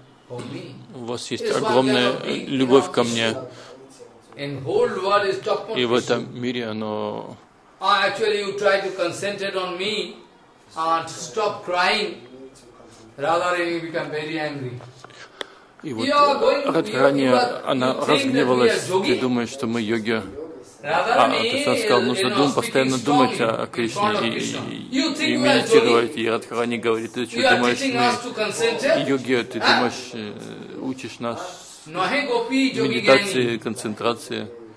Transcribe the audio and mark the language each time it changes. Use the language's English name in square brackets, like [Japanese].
[Russian] У вас есть огромная любовь ко мне. И в этом мире оно. [English] Actually, you try to concentrate on me and stop crying. Rather, you become very angry. [Russian] И вот Радхарани, она разгневалась, и думает, что мы йоги. А ты сам сказал, нужно постоянно думать о Кришне и медитировать. И Радхарани говорит, ты думаешь, мы йоги, ты думаешь, учишь нас медитации, концентрации.